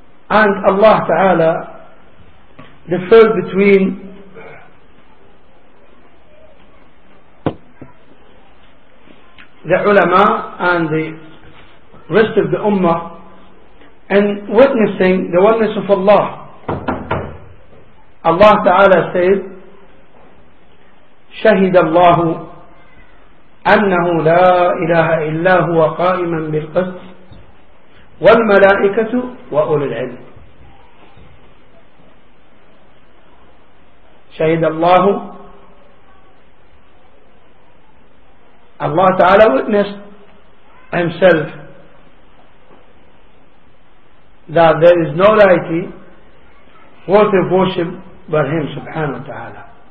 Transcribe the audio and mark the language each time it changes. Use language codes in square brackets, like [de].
[en] And Allah Ta'ala differed between the ulama and the rest of the ummah in witnessing the oneness of Allah. Allah Ta'ala said, [ar] شهد الله أنه لا إله إلا هو قائما بالقسط والملائكة وأولي العلم. شهد الله، الله تعالى [en] witnessed himself that there is no deity worth of worship but him [ar] سبحانه وتعالى.